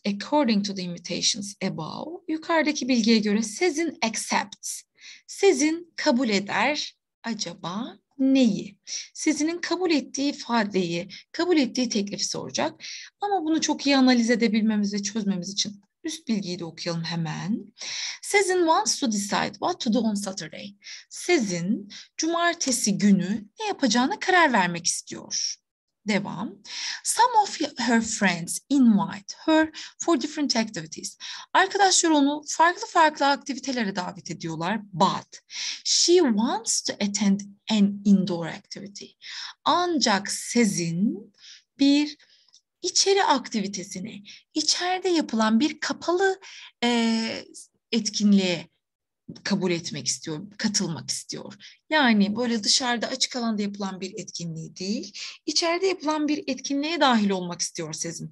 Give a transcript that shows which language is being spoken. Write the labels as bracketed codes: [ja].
[en] According to the invitations above, [tr] yukarıdaki bilgiye göre [en] Sezin accepts. [tr] Sezin kabul eder. Acaba neyi? Sezin'in kabul ettiği ifadeyi, kabul ettiği teklifi soracak. Ama bunu çok iyi analiz edebilmemiz ve çözmemiz için üst bilgiyi de okuyalım hemen. [en] Sezin wants to decide what to do on Saturday. [tr] Sezin cumartesi günü ne yapacağına karar vermek istiyor. Devam. [en] Some of her friends invite her for different activities. [tr] Arkadaşlar onu farklı farklı aktivitelere davet ediyorlar. [en] But she wants to attend an indoor activity. [tr] Ancak Sezin bir içeri aktivitesini, içeride yapılan bir kapalı etkinliğe kabul etmek istiyor, katılmak istiyor. Yani böyle dışarıda açık alanda yapılan bir etkinliği değil, içeride yapılan bir etkinliğe dahil olmak istiyor Sezin.